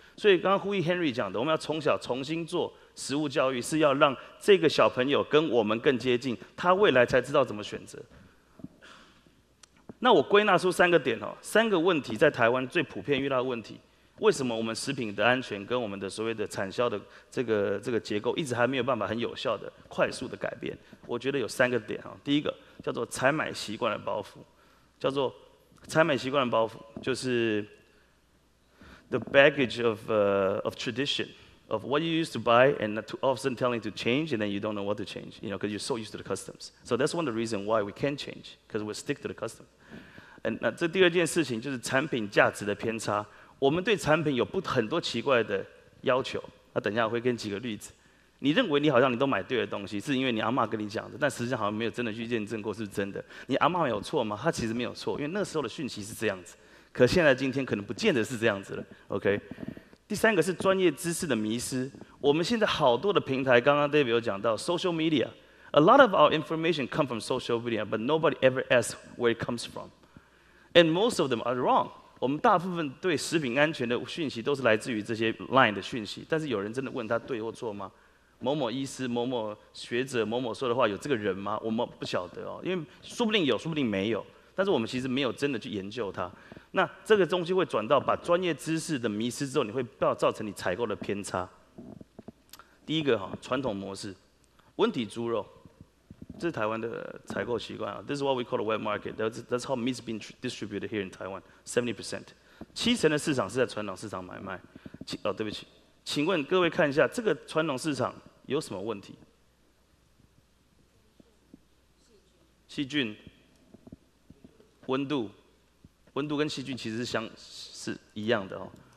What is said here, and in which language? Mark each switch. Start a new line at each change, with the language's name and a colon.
Chinese: 所以刚刚呼吁 Henry 讲的，我们要从小重新做食物教育，是要让这个小朋友跟我们更接近，他未来才知道怎么选择。那我归纳出3个点哦，3个问题在台湾最普遍遇到的问题，为什么我们食品的安全跟我们的所谓的产销的这个结构一直还没有办法很有效的快速的改变？我觉得有3个点哦。第一个叫做采买习惯的包袱，叫做。采买习惯的包袱就是
English: the baggage of tradition of what you used to buy and to all of a sudden telling to change and then you don't know what to change, you know, because you're so used to the customs. So that's one of the reasons why we can't change, because we stick to the custom. And
Chinese: 那这第二件事情就是产品价值的偏差。我们对产品有很多奇怪的要求。那等一下我会跟几个例子。你认为你好像你都买对的东西，是因为你阿嬷跟你讲的，但实际上好像没有真的去验证过是不是真的。你阿嬷有错吗？她其实没有错，因为那时候的讯息是这样子，可现在今天可能不见得是这样子了。 OK， 第三个是专业知识的迷失。我们现在好多的平台，刚刚 David 有讲到
English: social media， a lot of our information come from social media， but nobody ever asks where it comes from， and most of them are wrong。
Chinese: 我们大部分对食品安全的讯息都是来自于这些 line 的讯息，但是有人真的问他对或错吗？某某医师、某某学者、某某说的话，有这个人吗？我们不晓得哦，因为说不定有，说不定没有。但是我们其实没有真的去研究它。那这个东西会转到把专业知识的迷失之后，你会造成你采购的偏差。第一个哈，传统模式，温体猪肉，这是台湾的采购习惯啊。
English: This is what we call the wet market. That's how meat's been distributed here in Taiwan.
Chinese: 70%， 70%的市场是在传统市场买卖。哦，对不起。请问各位看一下，这个传统市场有什么问题？细菌、温度，温度跟细菌其实是一样的哦。